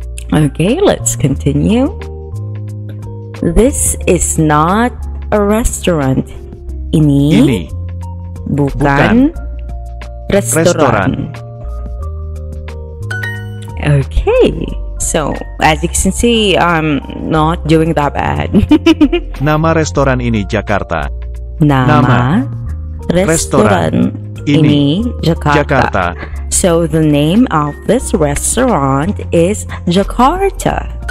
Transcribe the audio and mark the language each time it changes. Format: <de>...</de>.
<en>Okay, let's continue. This is not a restaurant.</en> <id>Ini bukan restoran.</id> <en>Okay, so as you can see, I'm not doing that bad.</en> <id>Nama restoran ini Jakarta. Nama restoran ini Jakarta.</id> <en>So the name of this restaurant is Jakarta.</en>